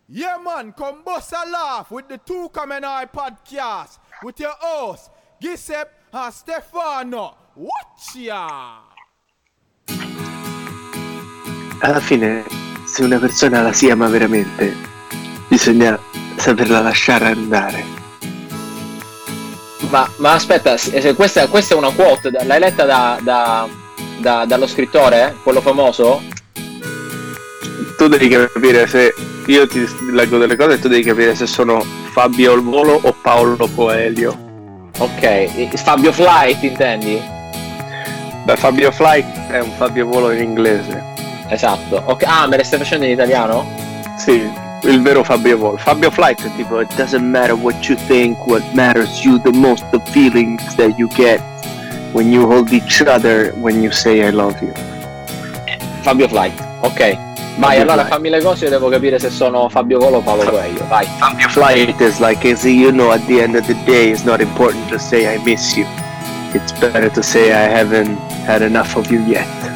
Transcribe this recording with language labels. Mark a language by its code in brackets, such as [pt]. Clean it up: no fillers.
[en] Yeah, man, come bust a laugh with the Two Coming High podcast with your host, Giuseppe and Stefano. Watch ya! [it] Alla fine, se una persona la si ama veramente, bisogna saperla lasciare andare. Ma aspetta, questa è una quote, l'hai letta dallo scrittore, quello famoso? Tu devi capire se io ti leggo delle cose e tu devi capire se sono Fabio al volo o Paolo Coelho. Ok, Fabio Flight intendi? Beh, Fabio Flight è un Fabio Volo in inglese. Esatto. Okay. Ah, me le stai facendo in italiano? Sì, il vero Fabio Volo. Fabio Flight è tipo [en] "It doesn't matter what you think, what matters you the most, the feelings that you get when you hold each other, when you say I love you." [it] Fabio Flight, ok. Vai, allora fammi le cose, io devo capire se sono Fabio Volo o Paolo Coelho. Vai. [en] Fabio Flight is like, as you know, at the end of the day, it's not important to say I miss you. It's better to say I haven't had enough of you yet.